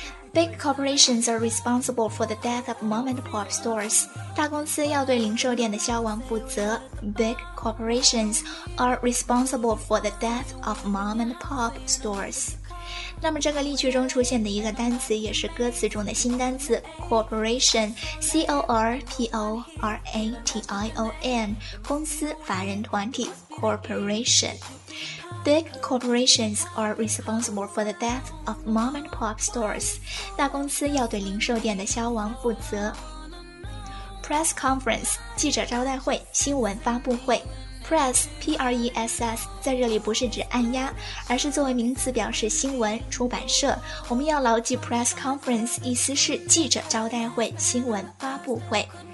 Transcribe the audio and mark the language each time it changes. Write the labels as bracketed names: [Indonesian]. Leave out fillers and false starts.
[English] Big corporations are responsible for the death of mom and pop stores. [Chinese] 大公司要对零售店的消亡负责。 [English] Big corporations are responsible for the death of mom and pop stores. [Chinese] 那么这个例句中出现的一个单词也是歌词中的新单词 corporation, C-O-R-P-O-R-A-T-I-O-N, 公司、法人、团体 corporation. [English] Big corporations are responsible for the death of mom and pop stores. [Chinese] 大公司要对零售店的消亡负责。 Press conference, 记者招待会，新闻发布会。 Press, P-R-E-S-S, 在这里不是指按压，而是作为名词表示新闻、出版社。我们要牢记 press conference, 意思是记者招待会、新闻发布会。